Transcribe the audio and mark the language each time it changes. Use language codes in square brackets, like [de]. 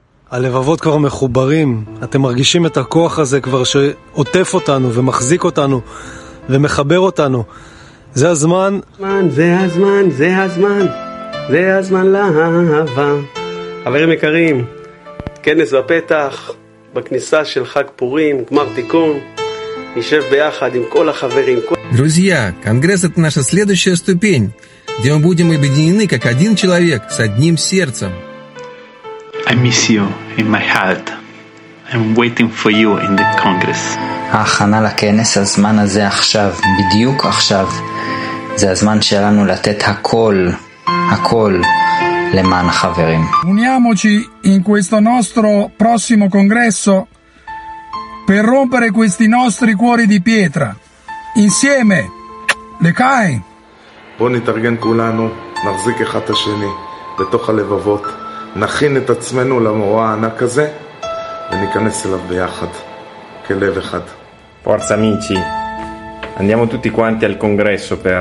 [he] הלבבות כבר מחוברים, אתם מרגישים את הכוח הזה כבר שעוטף אותנו ומחזיק אותנו ומחבר אותנו. זה הזמן, זה הזמן, זה הזמן, זה הזמן לאהבה. חברים יקרים, כנס בפתח, בכניסה של חג פורים, גמר תיקון, נשב ביחד עם כל החברים. [ru] Друзья, конгресс это наша следующая ступень, где мы будем объединены как один человек с одним сердцем. [en] I miss you in my heart. I'm waiting for you in the congress. [he] ההכנה לכנס, הזמן הזה עכשיו, בדיוק עכשיו, זה הזמן שלנו לתת הכל, הכל, למען החברים. [it] Uniamoci in questo nostro prossimo congresso per rompere questi nostri cuori di pietra. Insieme, [he] לקיים. בואו נתארגן כולנו, נחזיק אחד את השני בתוך הלבבות, נכין את עצמנו למורה הענק הזה, וניכנס אליו ביחד, כלב אחד. [it] Forza amici, andiamo tutti quanti al congresso per...